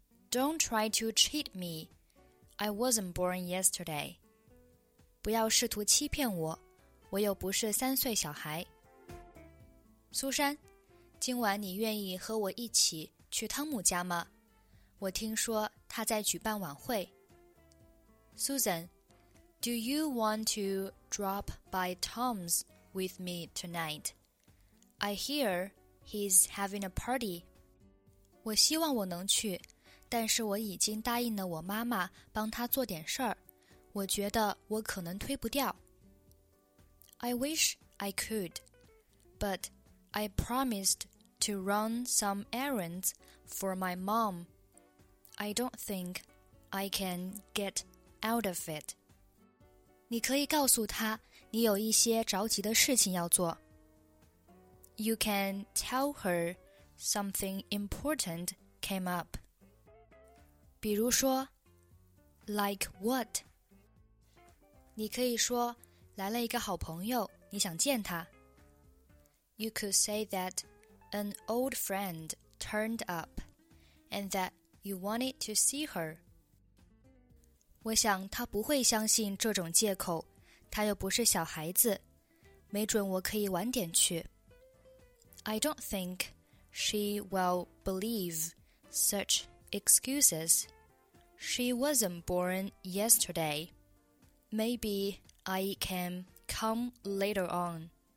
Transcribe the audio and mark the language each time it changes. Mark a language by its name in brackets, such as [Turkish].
[English] Don't try to cheat me. I wasn't born yesterday. [Chinese] 不要试图欺骗我，我又不是三岁小孩。苏珊，今晚你愿意和我一起去汤姆家吗？我听说他在举办晚会。 [English] Susan, do you want to drop by Tom's with me tonight? I hear he's having a party. [Chinese] 我希望我能去，但是我已经答应了我妈妈帮她做点事儿，我觉得我可能推不掉。 [English] I wish I could, but I promised to run some errands for my mom. I don't think I can get out of it. [Chinese] 你可以告诉他你有一些着急的事情要做。 [English] You can tell her something important came up. [Chinese] 比如说 , [English] like what? [Chinese] 你可以说来了一个好朋友，你想见他。 [English] You could say that an old friend turned up and that you wanted to see her. [Chinese] 我想他不会相信这种借口，他又不是小孩子，没准我可以晚点去。 [English] I don't think she will believe such excuses. She wasn't born yesterday. Maybe I can come later on.